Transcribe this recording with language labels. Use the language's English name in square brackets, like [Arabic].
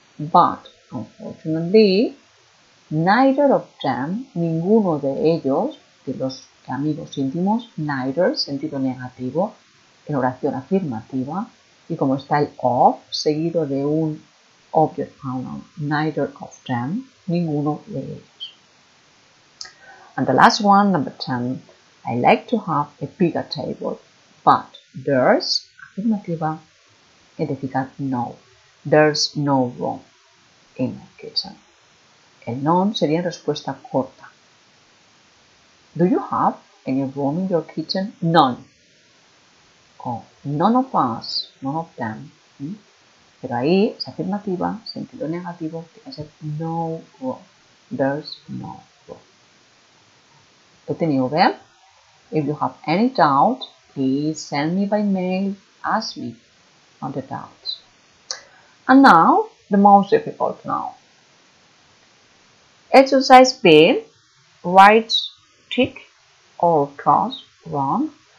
[English] But, unfortunately, neither of them, [Spanish] ninguno de ellos, de los amigos íntimos, [English] neither, [Spanish] sentido negativo, en oración afirmativa, y como está el of, seguido de un object pronoun, [English] neither of them, [Spanish] ninguno de ellos. [English] And the last one, number 10, I like to have a bigger table, but there's, [Spanish] afirmativa, edificar, [English] no, there's no room. In the kitchen. [Spanish] El non sería respuesta corta. [English] Do you have any room in your kitchen? None. Oh, none of us, none of them. [Spanish] Pero ahí es afirmativa, sentido negativo, tiene que ser [English] no room. There's no room. [Spanish] ¿Lo tenéis bien? [English] If you have any doubt, please send me by mail, ask me on the doubts. And now, the most difficult now. Exercise B, right tick or cross wrong.